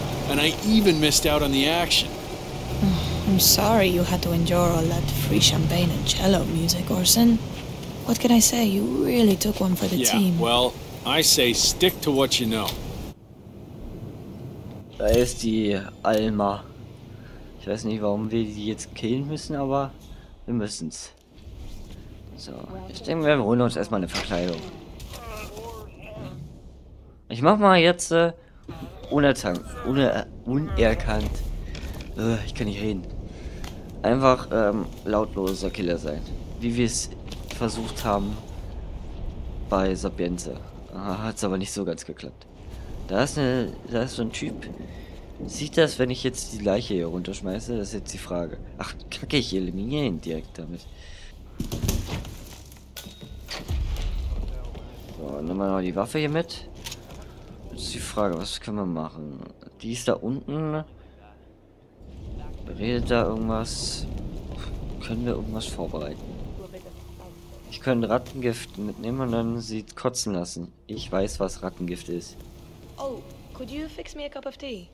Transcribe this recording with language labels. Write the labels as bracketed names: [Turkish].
[English] And I even missed out on the action. I'm sorry you had to endure all that free champagne and cello music, Orson. What can I say? You really took one for the team. Yeah, well, I say stick to what you know. [German] Da ist die Alma. Ich weiß nicht, warum wir die jetzt killen müssen, aber wir müssen's. So, ich denke, wir holen uns erstmal eine Verkleidung. Ich mach mal jetzt unerkannt. Ich kann nicht reden. Einfach lautloser Killer sein. Wie wir es versucht haben bei Sapienza. Hat es aber nicht so ganz geklappt. Da ist so ein Typ. Sieht das, wenn ich jetzt die Leiche hier runterschmeiße? Das ist jetzt die Frage. Ach, kacke, ich eliminiere ihn direkt damit. So, nehmen wir noch die Waffe hier mit. Jetzt ist die Frage, was können wir machen? Die ist da unten. Redet da irgendwas? Können wir irgendwas vorbereiten? Ich könnte Rattengift mitnehmen und dann sie kotzen lassen. Ich weiß, was Rattengift ist. [English] Oh, could you fix me a cup of tea?